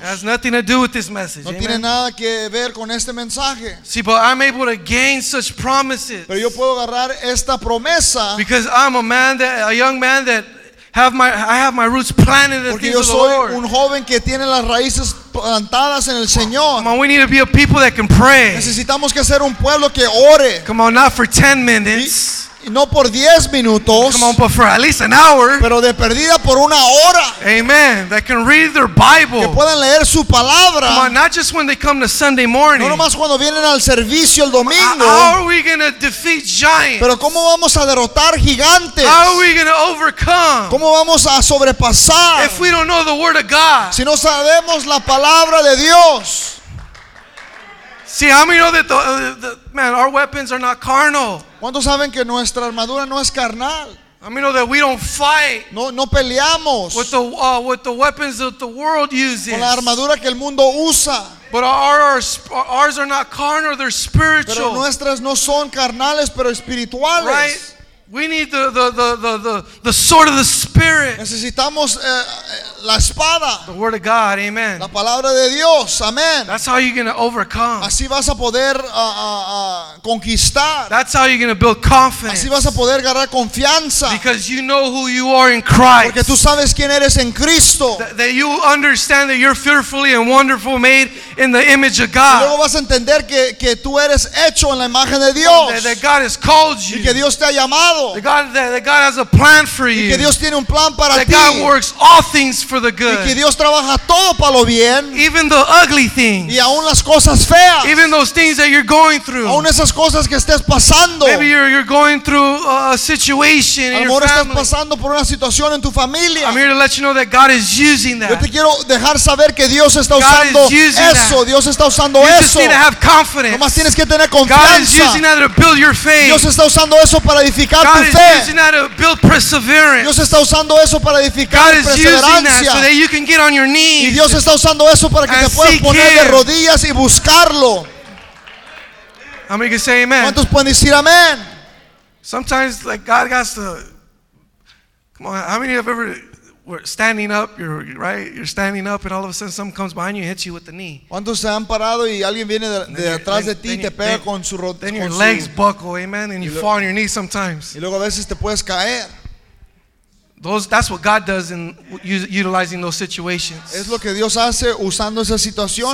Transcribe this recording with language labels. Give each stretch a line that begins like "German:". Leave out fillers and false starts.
English: It has nothing to do with this message.
Spanish: No
English: amen.
Spanish: Tiene nada que ver con este mensaje.
English: See, but I'm able to gain such promises.
Spanish: Pero yo puedo agarrar esta promesa.
English: Because I'm a young man that I have my roots planted in the
Spanish: Porque
English: things of the Lord.
Spanish: Porque yo soy un joven que tiene las raíces plantadas en el Señor.
English: Come on, we need to be a people that can pray.
Spanish: Necesitamos que ser un pueblo que ore.
English: Come on, not for 10 minutes.
Spanish: No por 10 minutos,
English: come on, but for at least an hour,
Spanish: pero de perdida por una hora.
English: Amen. That can read their Bible.
Spanish: Que puedan leer su palabra.
English: Come on, not just when they come to Sunday morning.
Spanish: No nomás cuando vienen al servicio el domingo.
English: How are we going to defeat giants?
Spanish: Pero cómo vamos a derrotar gigantes?
English: How are we going to overcome?
Spanish: ¿Cómo vamos a sobrepasar?
English: If we don't know the word of God.
Spanish: Si no sabemos la palabra de Dios.
English: See, how many know that man, our weapons are not carnal.
Spanish: ¿Cuántos saben que nuestra armadura no es carnal?
English: I mean, that we don't fight.
Spanish: No peleamos.
English: With the weapons that the world uses.
Spanish: Con la armadura que el mundo usa.
English: But ours are not carnal, they're spiritual.
Spanish: Pero nuestras no son carnales, pero espirituales.
English: Right? We need the sword of the Spirit.
Spanish: Necesitamos la espada.
English: The word of God, amen.
Spanish: La palabra de Dios, amen.
English: That's how you're gonna overcome.
Spanish: Así vas a poder conquistar.
English: That's how you're gonna build confidence.
Spanish: Así vas a poder ganar confianza.
English: Because you know who you are in Christ.
Spanish: Porque tú sabes quién eres en Cristo.
English: That you understand that you're fearfully and wonderful made in the image of God.
Spanish: Y luego vas a entender que tú eres hecho en la imagen de Dios.
English: That God has called you.
Spanish: Y que Dios te ha llamado.
English: That God has a plan for you.
Spanish: Y que Dios tiene un plan para
English: that
Spanish: ti.
English: God works all things for the good.
Spanish: Y que Dios trabaja todo para lo bien.
English: Even the ugly things.
Spanish: Y aún las cosas feas.
English: Even those things that you're going through.
Spanish: Aún esas cosas que estés pasando.
English: Maybe you're going through a situation in your family.
Spanish: Estás pasando por una situación en tu familia.
English: I'm here to let you know that God is using that.
Spanish: Yo te quiero dejar saber que Dios está usando eso. Dios está usando
English: you
Spanish: eso.
English: Just need to have confidence.
Spanish: Nomás tienes que tener confianza.
English: God is using that to build your faith.
Spanish: Dios está usando eso para edificar.
English: God is using that to build perseverance.
Spanish: Dios está usando eso para edificar perseverancia.
English: So that you can get on your knees.
Spanish: Y Dios está usando eso para que te puedas poner de rodillas y buscarlo.
English: How many can say amen?
Spanish: ¿Cuántos pueden decir amén?
English: Sometimes like God has to come on. How many have ever were standing up? You're standing up, and all of a sudden someone comes behind you and hits you with the knee.
Spanish: ¿Cuántos se han parado y alguien viene de atrás de ti y te pega con su rodilla?
English: Then your legs buckle, amen, and you fall on your knees sometimes.
Spanish: Y luego a veces te puedes caer.
English: That's what God does in utilizing those situations.
Spanish: Es lo que Dios hace usando esas situaciones.